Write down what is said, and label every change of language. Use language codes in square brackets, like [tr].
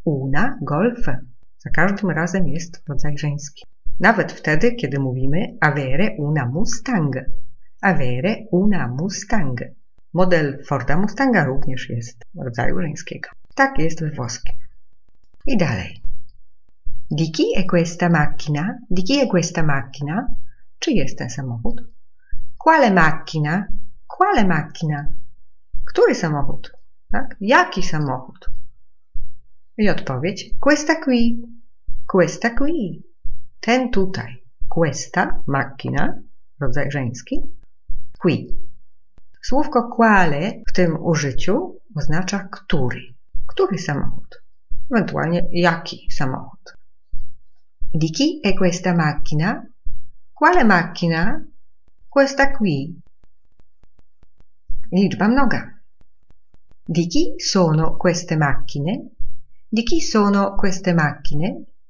[it] Una Golf. [pl] Za każdym razem jest rodzaj żeński. Nawet wtedy, kiedy mówimy [it] avere una Mustang. Avere una Mustang. [pl] Model Forda Mustanga również jest rodzaju żeńskiego. Tak jest we włoskim. I dalej. [it] Di chi è questa macchina? Di chi è questa macchina? [pl] Czy jest ten samochód? [it] Quale macchina? Quale macchina? [pl] Który samochód? Tak? Jaki samochód? I odpowiedź. [it] Questa qui. Questa qui. [pl] Ten tutaj. [it] Questa macchina. [pl] Rodzaj żeński. [it] Qui. [pl] Słówko quale w tym użyciu oznacza który. Który samochód? Ewentualnie jaki samochód. [it] Di chi è questa macchina? Quale macchina? Questa qui. [pl] Liczba mnoga. [it] Di chi sono queste macchine? Di chi sono queste macchine?